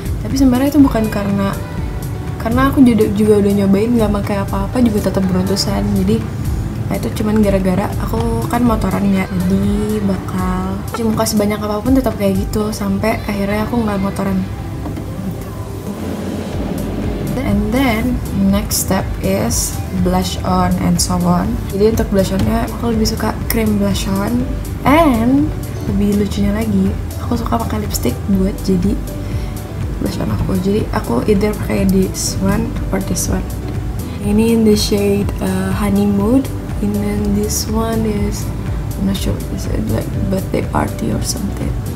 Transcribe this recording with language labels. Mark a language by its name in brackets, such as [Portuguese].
[Indonesian] Tapi sebenarnya itu bukan karena aku juga udah nyobain gak pakai apa-apa juga tetap beruntusan. Jadi itu cuman gara-gara aku kan motoran ya, jadi bakal cuci muka sebanyak apapun tetap kayak gitu sampai akhirnya aku gak motoran. [English] And then next step is blush on and so on. [Indonesian] Jadi untuk blush onnya aku lebih suka cream blush on, and lebih lucunya lagi aku suka pakai lipstick buat jadi blush on aku. Jadi aku [English] either [Indonesian] pakai [English] this one or this one. Ini in the shade Honey Mood, and then this one is I'm not sure, is it like birthday party or something.